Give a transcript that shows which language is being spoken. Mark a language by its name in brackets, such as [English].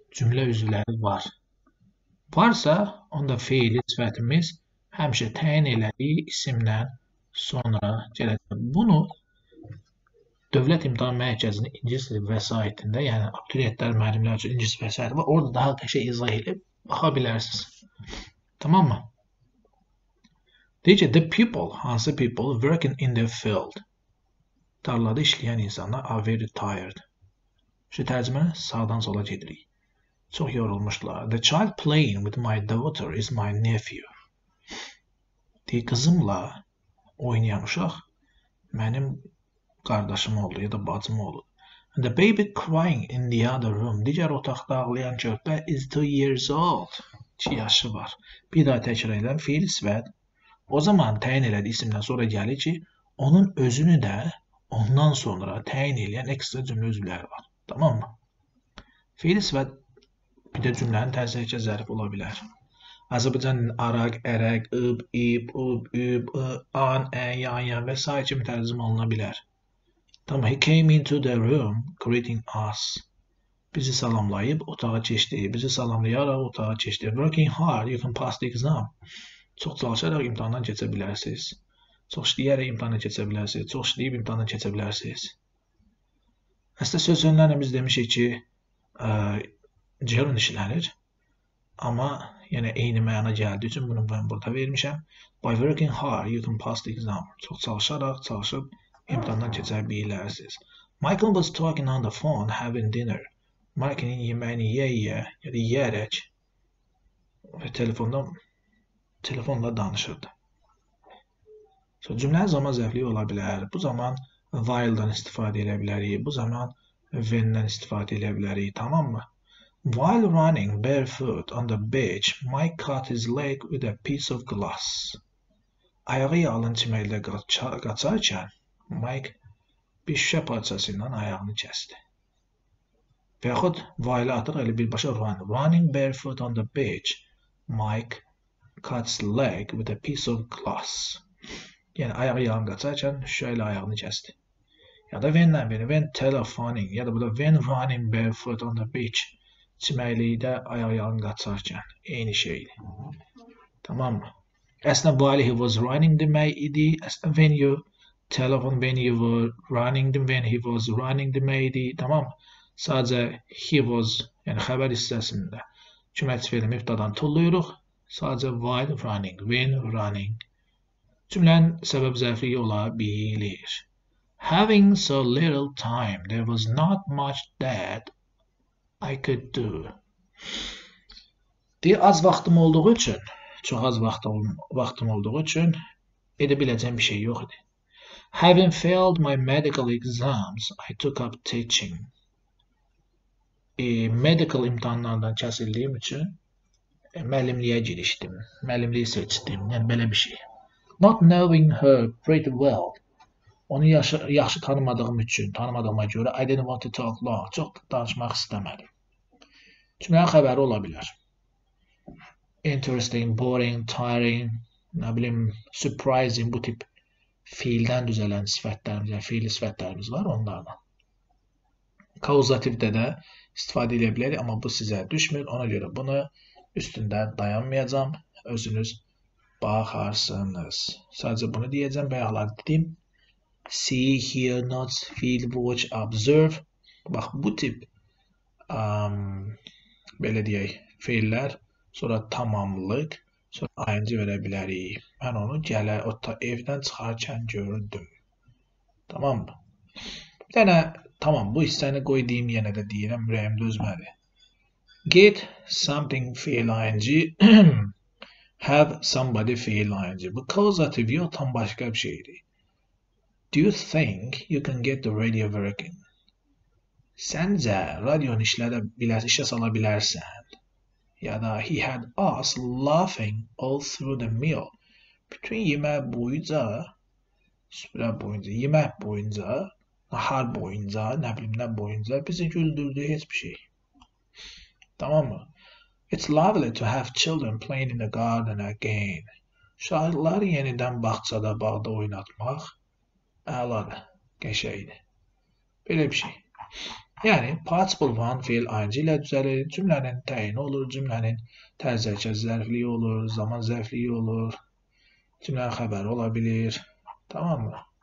[Azerbaijani] Cümlə üzvləri var. Varsa, onda fiili sifətimiz həmişə təyin elədiyi isimdən sonra gələcək. Bunu Dövlət İmtahan Mərkəzinin İngilis dili vəsaitində, yəni abituriyentlər, müəllimlər üçün İngilis vəsaiti var. Orada daha qəşəng izah edib baxa bilərsiniz. Tamam mı? Deyir ki, [English] the people, [Azerbaijani] hansı [English] people working in the field. [Azerbaijani] Tarlada işləyən insanlar [English] are very tired. [Azerbaijani] Şu tərcümə sağdan sola gedirik. Çox yorulmuşlar. [English] The child playing with my daughter is my nephew. [Azerbaijani] Deyir, qızımla oynayan uşaq mənim qardaşım oldu ya da bacım oldu. [English] And the baby crying in the other room. [Azerbaijani] Digər otaqda ağlayan körpə [English] is 2 years old. [Azerbaijani] 2 yaşı var. Bir daha təkrar edirəm. Fiil sifət. O zaman təyin elədi isimdən sonra gəlir ki, onun özünü də ondan sonra təyin edən ekstra cümlə üzvləri var. Tamam mı? Fiil sifət bir də cümlənin təzəlikə zərif ola bilər. Azərbaycanın araq, ərək, ıb, ib, ıb, üb, an, ə, yan, yan və s. kimi tərcümə oluna bilər. [English] Tamam, he came into the room greeting us. [Azerbaijani] Bizi salamlayıb, otağa keçdi. Bizi salamlayaraq, otağa keçdi. [English] Working hard, you can pass the exam. [Azerbaijani] Çox çalışaraq imtihandan keçə bilərsiniz. Çox işləyərək imtihandan keçə bilərsiniz. Çox işləyib imtihandan keçə bilərsiniz. Əslində söz önlərimiz demişik ki, cəhərin işlənir. Amma yəni eyni məna gəldiyi üçün bunu mən burada vermişəm. [English] By working hard, you can pass the exam. [Azerbaijani] Çox çalışaraq, çalışıb imtihandan keçə bilərsiniz. [English] Michael was talking on the phone, having dinner. [Azerbaijani] Michael'in yeməyini yeyərək və telefonla danışırdı. So, cümlənin zaman zərfliyi ola bilər. Bu zaman while-dan istifadə edə bilərik. Bu zaman when-dan istifadə edə bilərik. Tamam mı? [English] While running barefoot on the beach, Mike cut his leg with a piece of glass. [Azerbaijani] Ayağı yalın çiməklə qaçarkən, Mike bir şişə parçasından ayağını kəsdi. Və yaxud, [English] while [Azerbaijani] atıq elə birbaşa [English] running barefoot on the beach, Mike cut his leg with a piece of glass. [Azerbaijani] Yəni, ayağı yalın qaçarkən, şişə ilə ayağını kəsdi. Ya da [English] when telephoning, [Azerbaijani] ya da bu da [English] when running barefoot on the beach, [Azerbaijani] çiməkliyidə ayaq yalın qaçarkən. Eyni şeydir. Tamam mı? Əslən, [English] while he was running [Azerbaijani] demək idi. Əslən, [English] when you telephone, when you were running them, when he was running [Azerbaijani] demək idi. Tamam mı? Sadəcə, [English] he was, [Azerbaijani] yəni xəbər hissəsində cümləçi fiili mübtədan tulluyuruq. Sadəcə, [English] while running, when running. [Azerbaijani] Cümlənin səbəb zərfliyi ola bilir. [English] Having so little time, there was not much that I could do. [Azerbaijani] Deyir, az vaxtım olduğu üçün, çox az vaxtım olduğu üçün edə biləcəm bir şey yox idi. [English] Having failed my medical exams, I took up teaching. [Azerbaijani] Medical imtahanlardan kəsildiyim üçün müəllimliyə girişdim. Müəllimliyi seçdim. Yəni belə bir şey. [English] Not knowing her pretty well. [Azerbaijani] Onu yaxşı tanımadığım üçün, tanımadığıma görə [English] I didn't want to talk long. [Azerbaijani] Çox danışmaq istəmədim. Çünki mənə xəbəri ola bilər. Interesting, boring, tiring, nə bilim, surprising bu tip fiildən düzələn sifətlərimiz, yəni fiili sifətlərimiz var onlardan. Kauzativdə də istifadə edə bilərik, amma bu sizə düşmür. Ona görə bunu üstündə dayanmayacağım. Özünüz baxarsınız. Sadəcə bunu deyəcəm, bayaqlar dedim. [English] See, hear, not, feel, watch, observe. [Azerbaijani] Bax, bu tip belə deyək, fiillər, sonra tamamlıq, sonra ayıncı verə bilərik. Mən onu evdən çıxarkən gördüm. Tamam mı? Bir dənə, tamam, bu hissəni qoy deyim, yenə də deyirəm, ürəyim dözməli. [English] Get something feel ing. Have somebody feel ing. [Azerbaijani] Bu kauzativ yox, tam başqa bir şeydir. [English] Do you think you can get the radio working? [Azerbaijani] Səncə radionu işə sala bilərsən? Ya da [English] he had us laughing all through the meal. [Azerbaijani] Bütün yemək boyunca, süfrə boyunca, yemək boyunca, nahar boyunca, nə bilim nə boyunca bizi güldürdü heç bir şey. Tamam mı? [English] It's lovely to have children playing in the garden again. [Azerbaijani] Uşaqları yenidən bağda oynatmaq. Əladır, qəşəkdir. Belə bir şey. Yəni, possible one fiil ing ilə düzəlir, cümlənin təyini olur, cümlənin tərzəkə zərfliyi olur, zaman zərfliyi olur, cümlənin xəbəri ola bilir. Tamam mı?